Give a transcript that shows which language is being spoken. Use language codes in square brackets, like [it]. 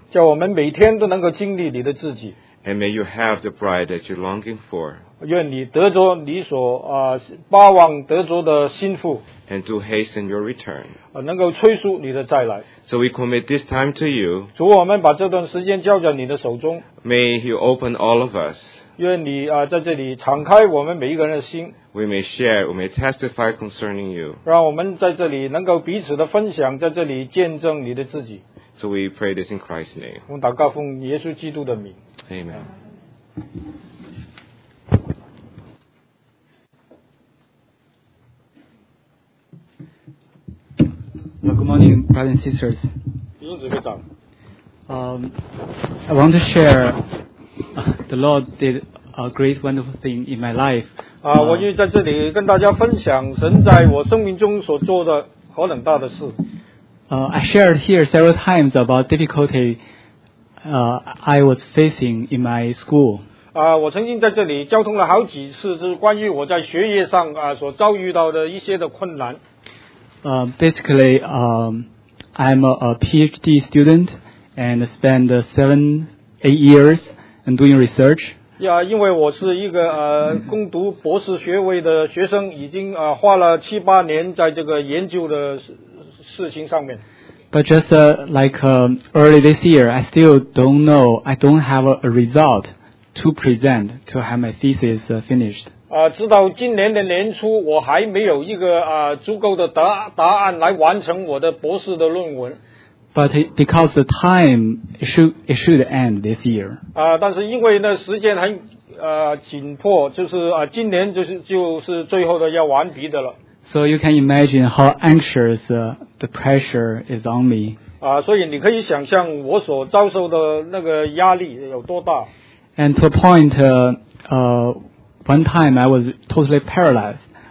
[zh] 叫我们每天都能够经历你的自己。 [en] And may you have the bride that you're longing for. [zh] 愿你得着你所巴望得着的心腹。 [en] And to hasten your return. [zh] 能够催促你的再来。 [en] So we commit this time to you. [zh] 主，我们把这段时间交在你的手中。 [en] May you open all of us. [zh] 愿你在这里敞开我们每一个人的心。 [en] We may share, we may testify concerning you. [zh] 让我们在这里能够彼此的分享，在这里见证你的自己。 [en] So we pray this in Christ's name. [zh] 我们祷告奉耶稣基督的名。 [en] Amen. Good morning, brothers and sisters. I want to share the Lord did a great wonderful thing in my life. [zh] 我愿意在这里跟大家分享神在我生命中所做的何等大的事。 [en] I shared here several times about difficulty I was facing in my school. [zh] 我曾经在这里交通了好几次，就是关于我在学业上所遭遇到的一些的困难。 [en] Basically, I'm a PhD student and spend 7-8 years and doing research. [zh] Yeah, 因为我是一个攻读博士学位的学生，已经花了7-8年在这个研究的事情上面。 [en] But just early this year, I still don't know. I don't have a result to present to have my thesis finished. [zh] 直到今年的年初，我还没有一个足够的答案来完成我的博士的论文。 [en] But because the time it should end this year. [zh] 但是因为呢时间很紧迫，今年就是最后的要完毕的了。 [en] So you can imagine how anxious the pressure is on me. [zh] 所以你可以想象我所遭受的那个压力有多大。 [en] And to a point, one time I was totally paralyzed.